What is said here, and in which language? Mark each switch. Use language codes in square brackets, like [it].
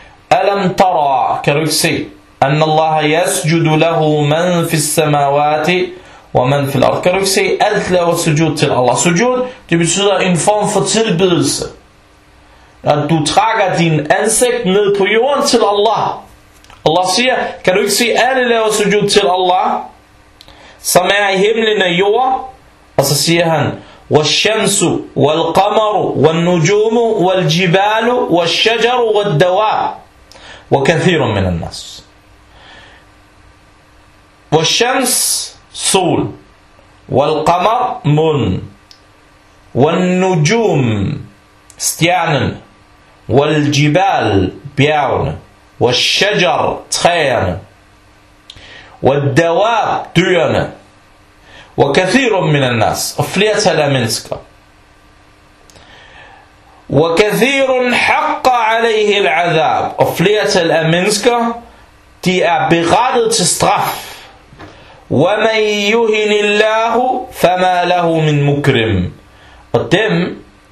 [ar] أَلَمْ تَرَى, [da] kan du ikke se, [ar] أَنَّ اللَّهَ يَسْجُدُ لَهُ مَنْ فِي السَّمَاوَاتِ وَمَنْ فِي الْأَرْضِ, [da] kan du ikke se, alt laver sujud til Allah. Sujud, det betyder en form for tilbedelse. At du trækker din ansigt ned på jorden til Allah. Allah siger, kan du ikke se, alle laver sujud til Allah, som er i himlen af jord. Og så siger han, [ar] وَالشَّمْسُ وَالْقَمَرُ وَالنُّجُومُ وَالْجِبَالُ وَالشَّجَرُ وَالدَّوَابُ وَكَثِيرٌ مِنَ النَّاسِ. [da] وَالشَّمْسُ, sol, والقمر, mun, والنجوم, stjernen, والجبال, bjergene, والشجر, træerne, والدواب, dyrene, [ar] وكثير من الناس, [da] og flertal af mennesker, [ar] وكثير حق عليه العذاب, [da] og flertal af mennesker, de er berettet til straf. [ar] وَمَنْ يُهِنِ اللَّهُ فَمَا لَهُ مِنْ مُكْرِمٍ, [da] og dem,